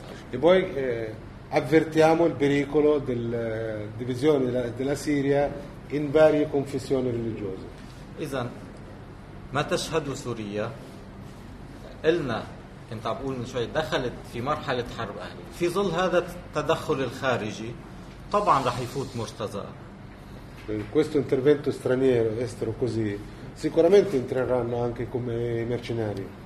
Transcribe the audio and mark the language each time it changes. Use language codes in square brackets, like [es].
[it] E poi avvertiamo il pericolo della divisione della Siria in varie confessioni religiose. [ar] ما تشهد سوريا قلنا، كنت أقول من شوية، دخلت في مرحلة حرب أهلية، في ظل هذا التدخل الخارجي طبعا رح يفوت مرتزقة، [it] questo intervento straniero, estero così, sicuramente entreranno anche come mercenari.